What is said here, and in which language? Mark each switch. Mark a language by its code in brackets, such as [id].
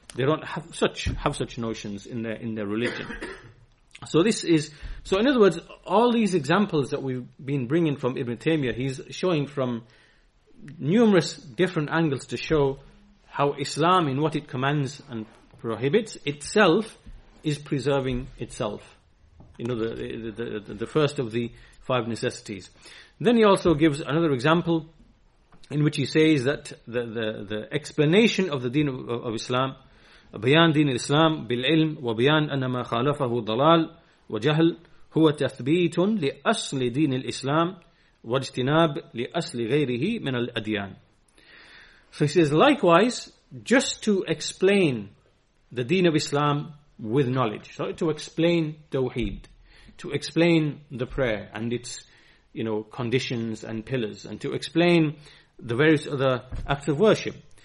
[en] They don't have such notions in their religion. So in other words, all these examples that we've been bringing from Ibn Taymiyyah, he's showing from numerous different angles to show how Islam, in what it commands and prohibits itself, is preserving itself. You know, the first of the five necessities. Then he also gives another example in which he says that the explanation of the deen of Islam, [ar] بيان دين الإسلام بالعلم وبيان أن ما خالفه ضلال وجهل هو تثبيت لأصل دين الإسلام واجتناب لأصل غيره من الأديان. [en] So he says, likewise, just to explain the deen of Islam with knowledge, so to explain Tawheed, to explain the prayer and its, you know, conditions and pillars, and to explain the various other acts of worship.